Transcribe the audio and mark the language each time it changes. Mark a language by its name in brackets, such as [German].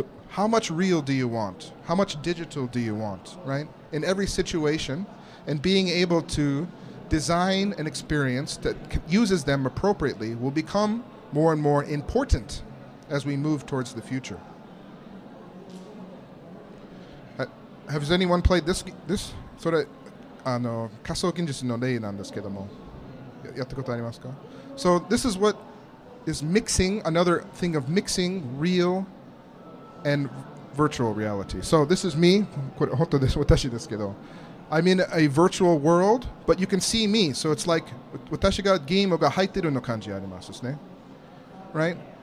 [English] How much real do you want? How much digital do you want, right? In every situation, and being able to design an experience that uses them appropriately will become more and more important as we move towards the future. Has anyone played this? [Japanese] それ、あの、仮想現実の例なんですけども、やったことありますか? [English] So this is what is mixing, another thing of mixing real and virtual reality. So this is me, [Japanese] これ本当です、私ですけど。 [English] I'm in a virtual world, but you can see me. So it's like, [Japanese] 私がゲームが入ってるの感じありますね。 [English] Right?